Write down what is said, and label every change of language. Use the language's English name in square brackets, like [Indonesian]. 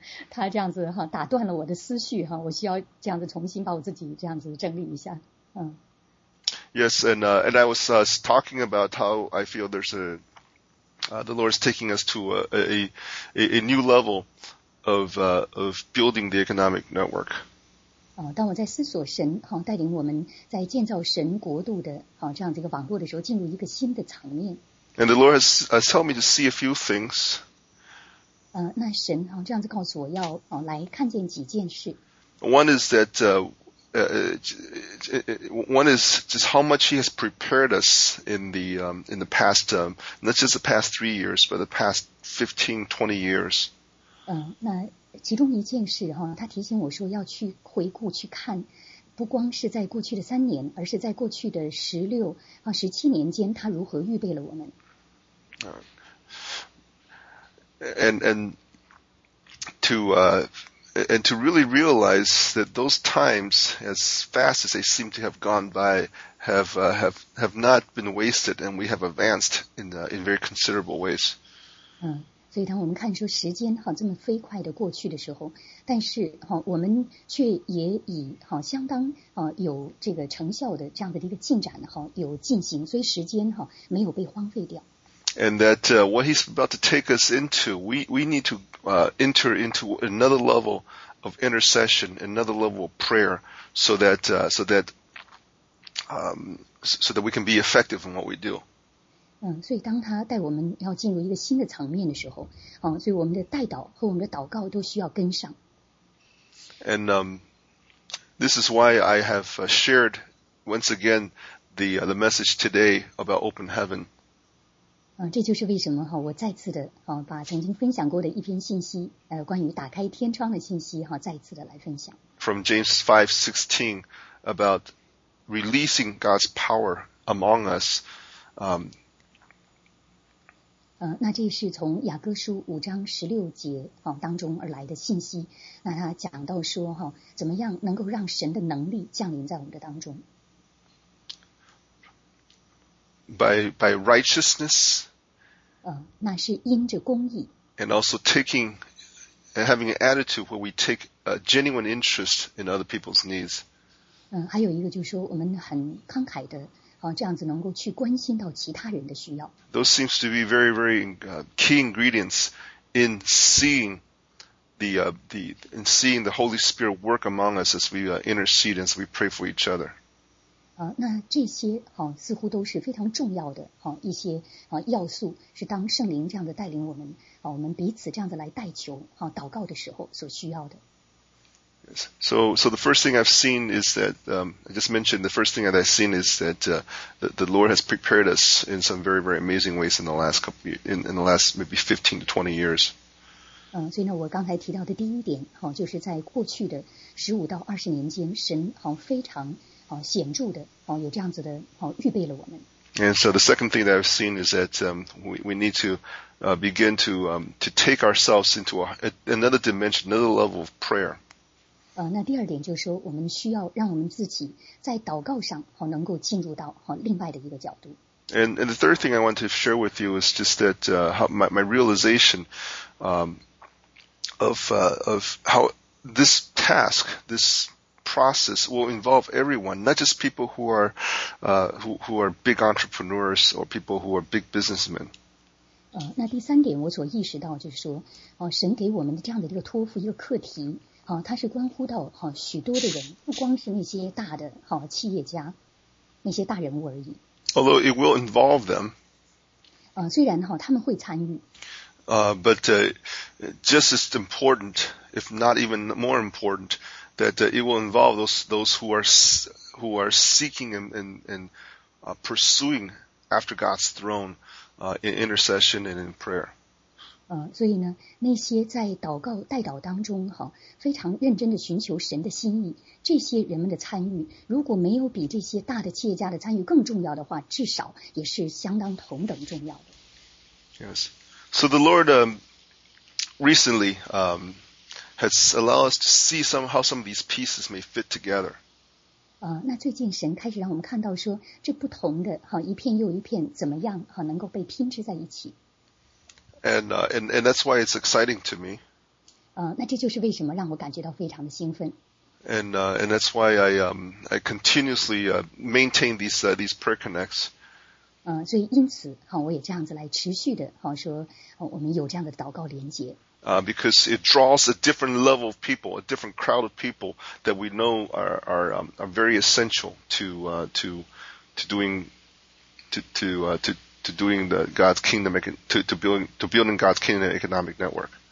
[Chinese] 她这样子打断了我的思绪我需要这样子重新把我自己这样子整理一下。 [English] Yes, and I was talking about how I feel there's a. The Lord is taking us to a new level of building the economic network. [Chinese] 当我在思索神带领我们在建造神国度的这样的一个网络的时候，进入一个新的场面。 [English] And the Lord has told me to see a few things. [Chinese] 那神这样子告诉我要来看见几件事。 [English] One is that one is just how much He has prepared us in the past, not just the past 3 years, but the past 15, 20 years. [Chinese] 那其中一件事他提醒我说要去回顾去看，不光是在过去的三年，而是在过去的十六到十七年间，他如何预备了我们。 [English] And to really realize that those times, as fast as they seem to have gone by, have not been wasted, and we have advanced in very considerable ways. [Chinese] 所以当我们看说时间这么飞快的过去的时候，但是我们却也以相当有这个成效的这样的一个进展有进行，所以时间没有被荒废掉。 [English] And that what he's about to take us into, we need to enter into another level of intercession, another level of prayer, so that we can be effective in what we do. [Chinese] 所以当他带我们要进入一个新的层面的时候，所以我们的代祷和我们的祷告都需要跟上。 [English] And this is why I have shared once again the message today about open heaven. [Chinese] 这就是为什么我再次的把曾经分享过的一篇信息关于打开天窗的信息再次的来分享。 [English] From James 5:16 about releasing God's power among us. [Chinese] 那这是从雅各书五章十六节当中而来的信息。那他讲到说怎么样能够让神的能力降临在我们的当中。 [English] By righteousness, [Chinese] 那是因着公义 [English] and also taking and having an attitude where we take a genuine interest in other people's needs. [Chinese] 还有一个就是说我们很慷慨的这样子能够去关心到其他人的需要。 [English] Those seems to be very, very key ingredients in seeing the Holy Spirit work among us as we intercede and as we pray for each other. [Chinese] 那这些似乎都是非常重要的一些要素，是当圣灵这样的带领我们我们彼此这样的来代求祷告的时候所需要的。 [English] Yes. So the first thing I've seen is that I just mentioned the first thing that I've seen is that the Lord has prepared us in some very very amazing ways in the last maybe 15 to 20 years. [Chinese] 所以呢，我刚才提到的第一点就是在过去的十五到二十年间，神非常。显著的有这样子的预备了我们。 [English] And so the second thing that I've seen is that we need to begin to take ourselves into another dimension, another level of prayer. [Chinese] 那第二点就是说，我们需要让我们自己在祷告上能够进入到另外的一个角度。 [English] And the third thing I want to share with you is just that my realization of how this task, this process will involve everyone, not just people who are big entrepreneurs or people who are big businessmen. [Chinese] 那第三点我所意识到就是说，神给我们的这样的一个托付，一个课题，它是关乎到许多的人，不光是那些大的企业家，那些大人物而已。 [English] Although it will involve them. [Chinese] 虽然他们会参与。 [English] But just as important, if not even more important. That it will involve those who are seeking and pursuing after God's throne in intercession and in prayer. [Chinese] 所以呢，那些在祷告代祷当中非常认真的寻求神的心意，这些人们的参与，如果没有比这些大的企业家的参与更重要的话，至少也是相当同等重要的。 [English] Yes. So the Lord recently. Has allowed us to see how some of these pieces may fit together. [Chinese] 那最近神开始让我们看到说，这不同的一片又一片怎么样能够被拼织在一起。 [English] And that's why it's exciting to me. [Chinese] 那这就是为什么让我感觉到非常的兴奋。 [English] And that's why I continuously maintain these prayer connects. [Chinese] 所以因此我也这样子来持续的说我们有这样的祷告连结。 [English] Because it draws a different level of people, a different crowd of people that we know are very essential to doing the God's kingdom, to building God's kingdom economic network.